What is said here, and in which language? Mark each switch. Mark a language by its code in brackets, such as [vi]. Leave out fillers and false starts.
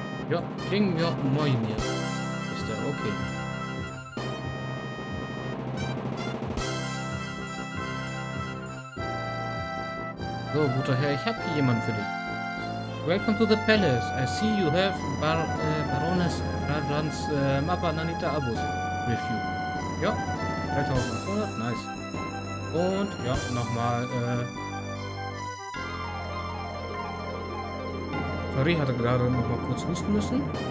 [de] Ja, King Jörg Moinir ist der, okay. So, guter Herr, ich habe hier jemanden für dich. [en] Welcome to the palace. I see you have Baroness Radrans Mappa Nanita Abus with you. [de] Ja, 3500, nice. Und ja, nochmal, Marie hatte gerade noch mal kurz husten müssen.